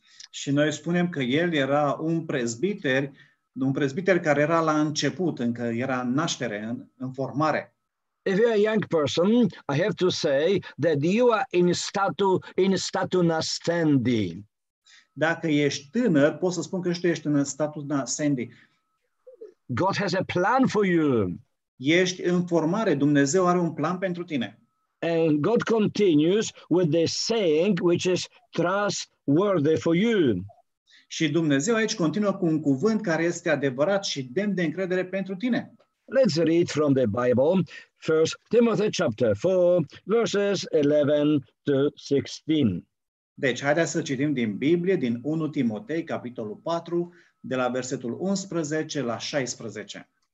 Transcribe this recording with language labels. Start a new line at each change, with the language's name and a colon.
Romanian: Și noi spunem că el era un prezbiter care era la început, încă era în naștere, în formare.
English: If you are a young person, I have to say that you are in statu nascendi.
Romanian: Dacă ești tânăr, pot să spun că tu ești în statu nascendi.
English: God has a plan for you.
Romanian: Ești în formare, Dumnezeu are un plan pentru tine.
English: And God continues with the saying which is trustworthy for you.
Romanian: Și Dumnezeu aici continuă cu un cuvânt care este adevărat și demn de încredere pentru tine.
English: Let's read from the Bible. 1 Timothy chapter 4, verses 11 to 16.
Romanian: Deci, haideți să citim din Biblie, din 1 Timotei, capitolul 4, de la versetul 11 la 16.